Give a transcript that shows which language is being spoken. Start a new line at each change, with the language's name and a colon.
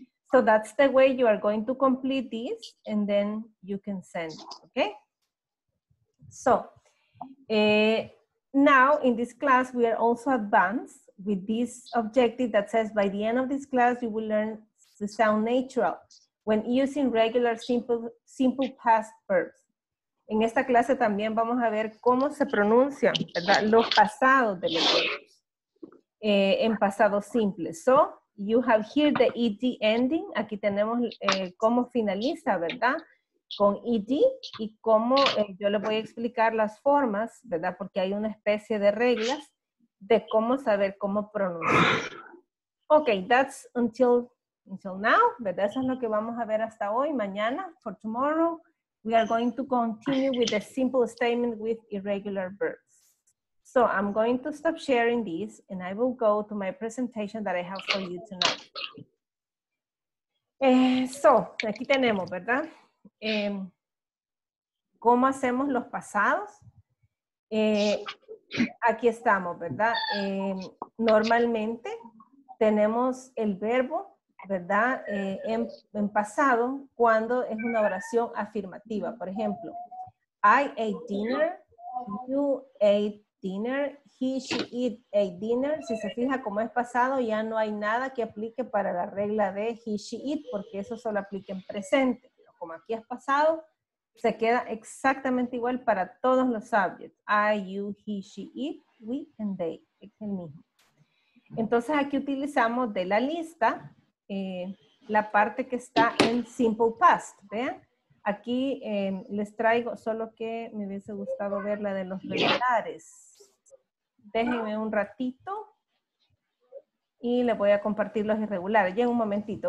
English: So that's the way you are going to complete this and then you can send it, okay? So, now in this class, we are also advanced with this objective that says by the end of this class, you will learn to sound natural when using regular simple past verbs.
Spanish: En esta clase también vamos a ver cómo se pronuncian, ¿verdad? Los pasados de los verbos en pasado simple.
English: So, you have here the ed ending.
Spanish: Aquí tenemos cómo finaliza, ¿verdad? Con ed y cómo yo le voy a explicar las formas, ¿verdad? Porque hay una especie de reglas de cómo saber cómo pronunciar.
English: Okay, that's until now,
Spanish: ¿verdad? Eso es lo que vamos a ver hasta hoy. Mañana,
English: for tomorrow, we are going to continue with the simple statement with irregular verbs. So I'm going to stop sharing this and I will go to my presentation that I have for you tonight.
Spanish: So, aquí tenemos, ¿verdad? ¿Cómo hacemos los pasados? Aquí estamos, ¿verdad? Normalmente tenemos el verbo ¿verdad? En pasado, cuando es una oración afirmativa. Por ejemplo,
English: I ate dinner, you ate dinner, he, she eat a dinner.
Spanish: Si se fija cómo es pasado, ya no hay nada que aplique para la regla de
English: he, she eat,
Spanish: porque eso solo aplica en presente. Pero como aquí es pasado, se queda exactamente igual para todos los subjects.
English: I, you, he, she eat, we, and they.
Spanish: Es el mismo. Entonces aquí utilizamos de la lista la parte que está en simple past, ¿vean? Aquí les traigo, solo que me hubiese gustado ver la de los regulares. Déjenme un ratito y les voy a compartir los irregulares. Ya en un momentito.